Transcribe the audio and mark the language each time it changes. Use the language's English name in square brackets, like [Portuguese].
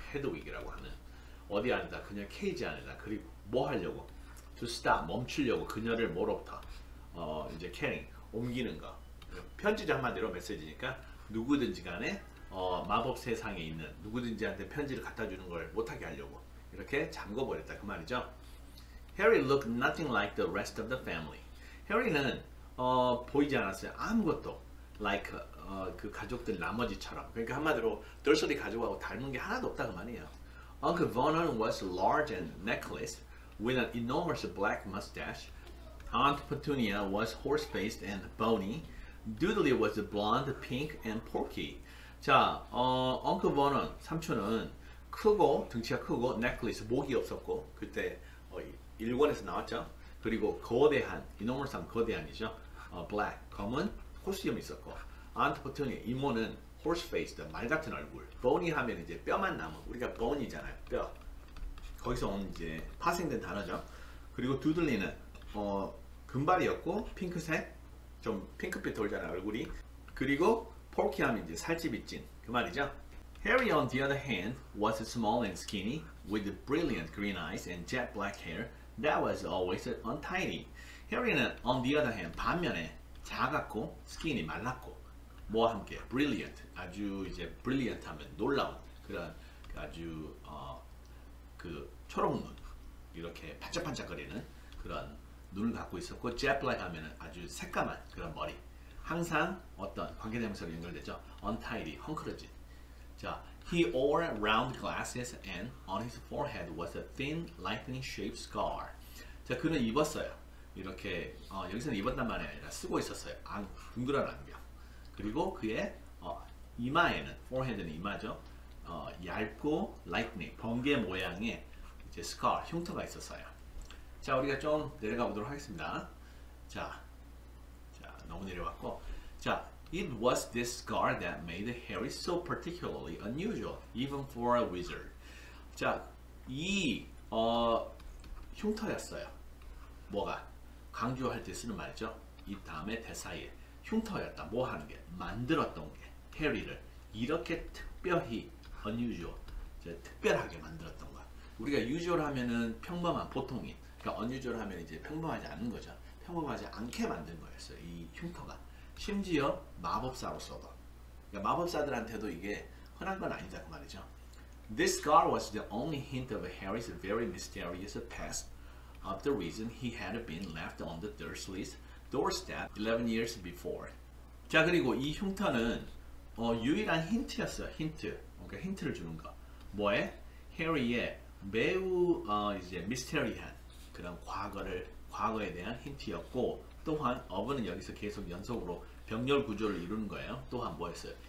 [Korean] Hedwig이라고 하는. 어디 안에다? 그냥 케이지 안에다. 그리고 뭐 하려고? [English] To stop, [Korean] 멈추려고 그녀를 뭐로부터? 이제 carrying, 옮기는 거. 편지죠 한마디로 메시지니까 누구든지 간에 마법 세상에 있는 누구든지한테 편지를 갖다 주는 걸 못하게 하려고 이렇게 잠궈버렸다 그 말이죠. [English] Harry looked nothing like the rest of the family. [Korean] Harry는 보이지 않았어요. 아무것도 like 그 가족들 나머지처럼. 그러니까 한마디로 Dursley 가족하고 닮은 게 하나도 없다 그 말이에요. [English] Uncle Vernon was large and necklaced with an enormous black mustache. Aunt Petunia was horse-faced and bony. Doodly was blonde, pink, and porky. [Korean] 자, Uncle Vernon, 삼촌은 크고 덩치가 크고 necklace 목이 없었고 그때 1권에서 나왔죠. 그리고 거대한, 이노멀상 거대한이죠. Black, 검은 호수염이 있었고, 안토포트니의 이모는 horse face, 말 같은 얼굴. bony 하면 이제 뼈만 남은, 우리가 bony잖아요, 뼈. 거기서 온 이제 파생된 단어죠. 그리고 두들리는 금발이었고, 핑크색, 좀 핑크빛 돌잖아요, 얼굴이. 그리고 porky 하면 이제 살집이 찐, 그 말이죠. [English] Harry on the other hand was small and skinny with brilliant green eyes and jet black hair that was always untidy. [Korean] Harry는 [English] on the other hand, [Korean] 반면에 작았고 skinny, 말랐고 뭐와 함께 brilliant, 아주 이제 brilliant 하면 놀라운 그런 아주 그 초록눈 이렇게 반짝반짝거리는 그런 눈을 갖고 있었고 jet black 하면 아주 새까만 그런 머리 항상 어떤 관계대명사로 연결되죠. [English] untidy, [Korean] 헝클어진. [English] 자, he wore round glasses and on his forehead was a thin lightning shaped scar. 자, [Korean] 그는 입었어요. 이렇게 여기서는 입었단 말이 아니라 쓰고 있었어요. 안, 둥그란 안경. 그리고 그의 이마에는 forehead는 이마죠. 얇고 lightning 번개 모양의 이제 scar 흉터가 있었어요. 자, 우리가 좀 내려가 보도록 하겠습니다. 자, 자 너무 내려왔고. 자. [English] It was this scar that made Harry so particularly unusual, even for a wizard. [Korean] 자, 이 흉터였어요. 뭐가? 강조할 때 쓰는 말이죠. 이 다음에 대사에 흉터였다. 뭐 하는 게? 만들었던 게. 해리를 이렇게 특별히 unusual, 이제 특별하게 만들었던 거. 우리가 usual 하면은 평범한, 보통인. 그러니까 unusual 하면 이제 평범하지 않은 거죠. 평범하지 않게 만든 거였어요. 이 흉터가. 심지어 마법사로서도 그러니까 마법사들한테도 이게 흔한 건 아니다 그 말이죠. [English] This scar was the only hint of Harry's very mysterious past of the reason he had been left on the Dursley's doorstep 11 years before. [Korean] 자 그리고 이 흉터는 유일한 힌트였어요. 힌트 그러니까 힌트를 주는 거 뭐에? 해리의 매우 이제 미스테리한 그런 과거를 과거에 대한 힌트였고 또한 of는 여기서 계속 연속으로 병렬 구조를 이루는 거예요. 또한 뭐였어요?